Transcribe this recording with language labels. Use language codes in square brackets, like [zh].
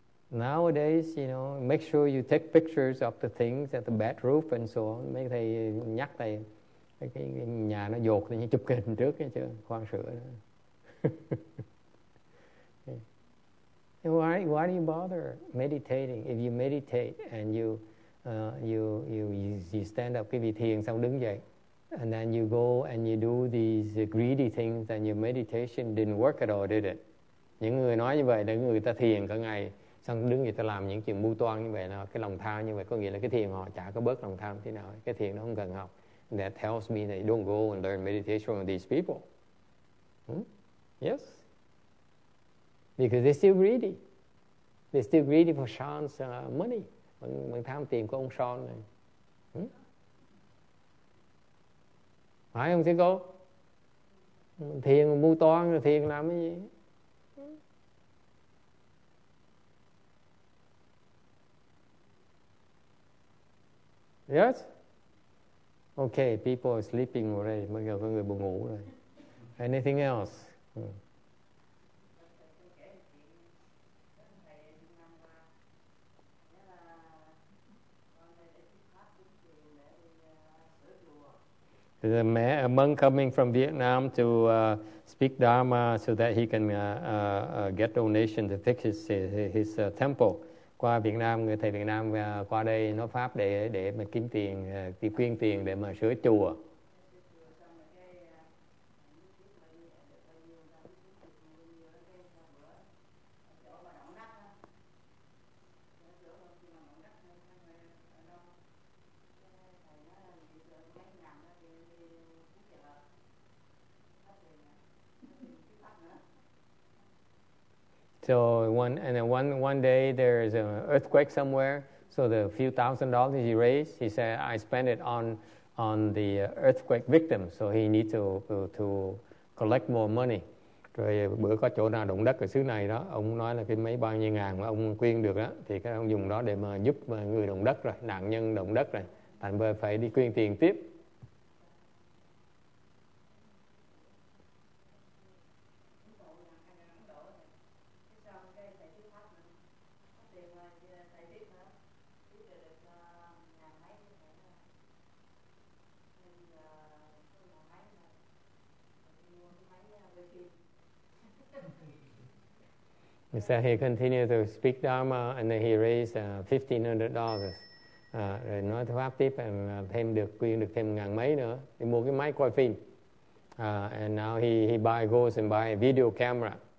[en] Nowadays, you know, make sure you take pictures of the things at the bad roof and so on. [vi] Mấy thầy nhắc thầy, cái nhà nó dột thì chụp hình trước chứ, khoan sửa. [en] Why do you bother meditating? If you meditate and you stand up, [vi] quý vị thiền xong đứng dậy, [en] and then you go and you do these greedy things, and your meditation didn't work at all, did it? [vi] Những người nói như vậy là người ta thiền cả ngày, xong đứng dậy ta làm những chuyện mưu toan như vậy, nó cái lòng tham như vậy, có nghĩa là cái thiền họ chả có bớt lòng tham thế nào, cái thiền nó không cần học. [en] That tells me that you don't go and learn meditation from these people. Yes. Because they're still greedy. They're still greedy for Sean's money. [vi] Vẫn tham tiền của ông Sean này. Phải không, thưa cô? Thiền mưu toan, thiền làm cái gì? [en] Yes? Okay, people are sleeping already. [vi] Mới giờ có người buồn ngủ rồi. [en] Anything else? The man, a monk coming from Vietnam to speak Dharma so that he can get donation to fix his temple. [vi] Qua Việt Nam, người thầy Việt Nam qua đây nói pháp để mà kiếm tiền, đi quyên tiền để mà sửa chùa. [en] So one day there is an earthquake somewhere. So the few thousand dollars he raised, he said, I spent it on the earthquake victim. So he needs to collect more money. [vi] Rồi bữa có chỗ nào động đất ở xứ này đó, ông nói là cái mấy bao nhiêu ngàn mà ông quyên được đó, thì cái ông dùng đó để mà giúp người động đất rồi, nạn nhân động đất rồi, thành bởi phải đi quyên tiền tiếp. [en] So he continued to speak Dharma and then he raised $1,500. [vi] Rồi nói pháp tiếp and thêm được quyên được thêm ngàn mấy nữa để mua cái máy quay phim. [en] And now he goes and buy a video camera.